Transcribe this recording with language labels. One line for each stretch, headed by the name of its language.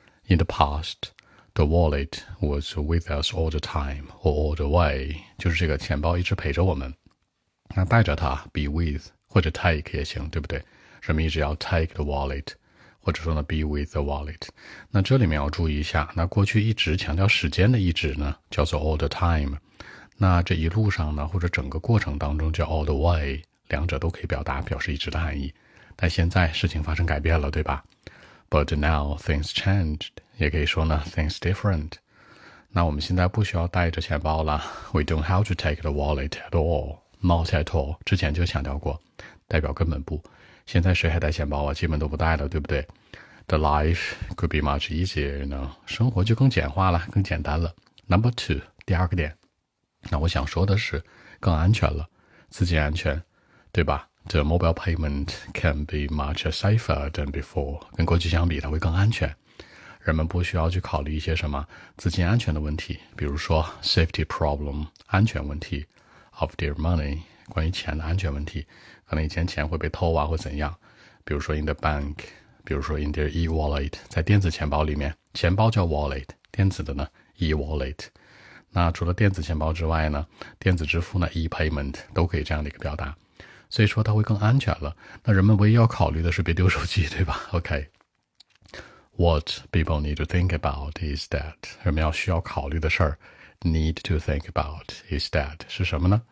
English: In the past,The wallet was with us all the time, or all the way.
Chinese: 就是这个钱包一直陪着我们。那带着它 be with, 或者 take 也行，对不对？人们一直要
English: take the wallet,
Chinese: 或者说呢
English: be with the wallet.
Chinese: 那这里面要注意一下，那过去一直强调时间的一直呢，叫做 all the time. 那这一路上呢，或者整个过程当中叫 all the way, 两者都可以表达表示一直的含义。但现在事情发生改变了，对吧？
English: But now things changed,
Chinese: 也可以说呢
English: things different.
Chinese: 那我们现在不需要带着钱包了，
English: We don't have to take the wallet at all,
Chinese: not at all, 之前就强调过，代表根本不，现在谁还带钱包啊，基本都不带了，对不对？
English: The life could be much easier, you know,
Chinese: 生活就更简化了，更简单了。
English: Number two,
Chinese: 第二个点，那我想说的是更安全了，资金安全，对吧？
English: The mobile payment can be much safer than before.
Chinese: 跟过去相比它会更安全。人们不需要去考虑一些什么资金安全的问题，比如说
English: safety problem,
Chinese: 安全问题
English: of their money,
Chinese: 关于钱的安全问题，可能以前钱会被偷啊或怎样。比如说
English: in the bank,
Chinese: 比如说
English: in their e-wallet,
Chinese: 在电子钱包里面，钱包叫 wallet, 电子的呢 e-wallet。那除了电子钱包之外呢，电子支付呢 e-payment, 都可以这样的一个表达。所以说它会更安全了，那人们唯一要考虑的是别丢手机，对吧？
English: OK, What people need to think about is that,
Chinese: 人们要需要考虑的事儿
English: need to think about is that,
Chinese: 是什么呢？